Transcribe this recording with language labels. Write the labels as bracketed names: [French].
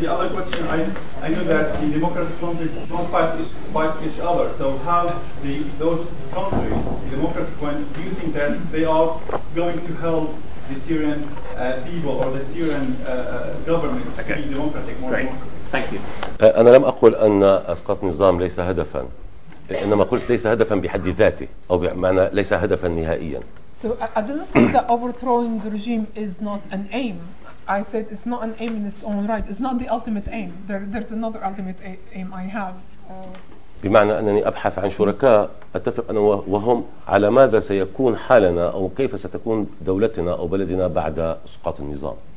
[English] The other question, I know that the democratic countries don't fight each other. So how those countries, the democratic ones, do you think that they are going to help the Syrian people or the Syrian government to be democratic? Thank you. [Arabic] أنا لم أقول أن أسقاط نظام ليس هدفا، إنما قلت ليس هدفا بحد ذاته أو بمعنى ليس هدفا نهائيا. [English] So I didn't say that overthrowing the regime is not an aim. I said it's not an aim in its own right. It's not the ultimate aim. There's another ultimate aim I have. [Arabic] بمعنى أنني أبحث عن شركاء أتفق أنا وهم على ماذا سيكون حالنا أو كيف ستكون دولتنا أو بلدنا بعد سقوط النظام.